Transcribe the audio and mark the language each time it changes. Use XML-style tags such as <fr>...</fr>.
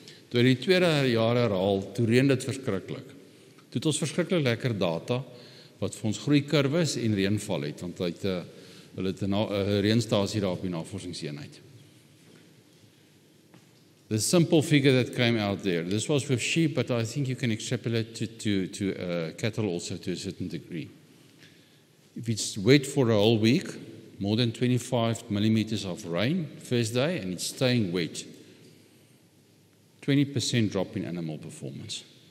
<af>Toe hy die tweede jaar herhaal, toe reen dit verskrikkelijk. Toe het ons verskrikkelijk lekker data, wat vir ons groeikurwes en reenval het, want hy het 'n reenstasie daar op die navorsingseenheid.</af> <en>The simple figure that came out there. This was with sheep, but I think you can extrapolate to cattle also to a certain degree. If it's wet for a whole week, more than 25 millimeters of rain first day, and it's staying wet, 20% drop in animal performance.</en>